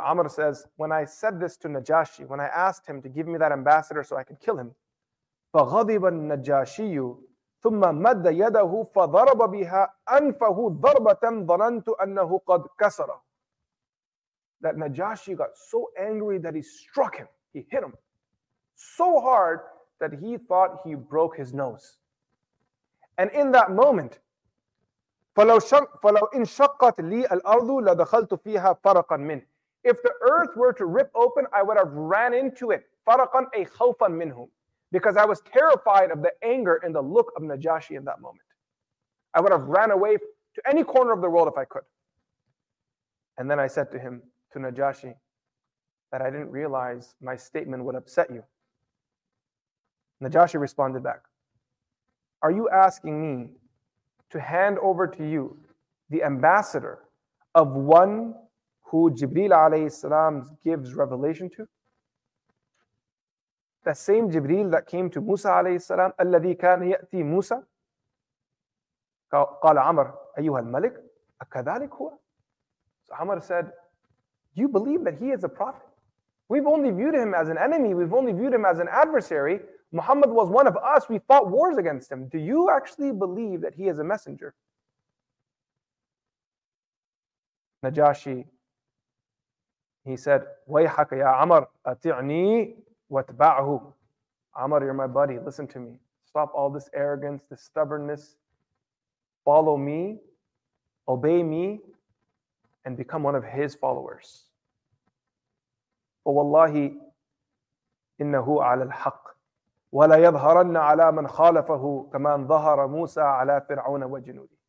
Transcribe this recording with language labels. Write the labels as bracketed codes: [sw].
[en] Amr says, when I said this to Najashi, when I asked him to give me that ambassador so I could kill him, [ar] فَغَضِبَ النَّجَاشِيُّ ثُمَّ مَدَّ يَدَهُ فَضَرَبَ بِهَا أَنْفَهُ ضَرْبَةً ظَنَنْتُ أَنَّهُ قَدْ كَسَرَ. [en] That Najashi got so angry that he struck him. He hit him so hard that he thought he broke his nose. And in that moment, [ar] فَلَوْ إِنْشَقَّتْ لِي الْأَرْضُ لَدَخَلْتُ فِيهَا فَرَقًا مِنْ. [en] If the earth were to rip open, I would have ran into it. [ar] فَرَقًا أَيْ خَوْفًا مِنْهُمْ. [en] Because I was terrified of the anger in the look of Najashi in that moment. I would have ran away to any corner of the world if I could. And then I said to him, to Najashi, that I didn't realize my statement would upset you. Najashi responded back, are you asking me to hand over to you the ambassador of one who Jibreel alayhi salam gives revelation to? The same Jibreel that came to Musa alayhi salam, [ar] الذي كان يأتي موسى. قال عمر أيها الملك أكذلك هو. [en] So Amr said, do you believe that he is a prophet? We've only viewed him as an enemy. We've only viewed him as an adversary. Muhammad was one of us. We fought wars against him. Do you actually believe that he is a messenger? Najashi, he said, [ar] وَيْحَكَ يَا عَمَرْ أَطِعْنِي وَاتْبَعْهُ. [en] Amr, you're my buddy. Listen to me. Stop all this arrogance, this stubbornness. Follow me, obey me, and become one of his followers. [ar] فَوَاللَّهِ إِنَّهُ عَلَى الْحَقِّ وَلَا يَظْهَرَنَّ عَلَى مَنْ خَالَفَهُ كَمَنْ ظَهَرَ مُوسَى عَلَى فِرْعَوْنَ وَجُنُودِهِ.